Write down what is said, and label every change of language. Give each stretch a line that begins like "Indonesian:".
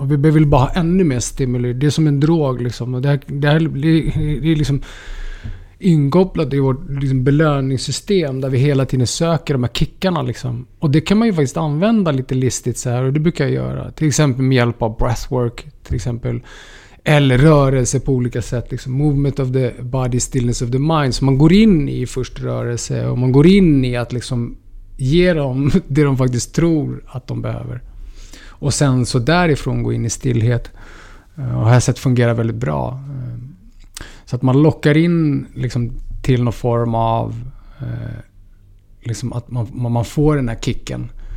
Swedish: Och vi behöver bara ha ännu mer stimuli. Det är som en drog. Liksom, och det här det är liksom inkopplat i vårt liksom belöningssystem där vi hela tiden söker de här kickarna. Liksom. Och det kan man ju faktiskt använda lite listigt. Så här, och det brukar jag göra. Till exempel med hjälp av breathwork. Till exempel. Eller rörelse på olika sätt. Liksom.
English: Movement of the body, stillness of the mind.
Swedish: Så man går in i först rörelse. Och man går in i att liksom ge dem det de faktiskt tror att de behöver. Och sen så därifrån gå in i stillhet. Och här sätt fungerar väldigt bra. Så att man lockar in liksom till någon form av liksom att man får den här kicken.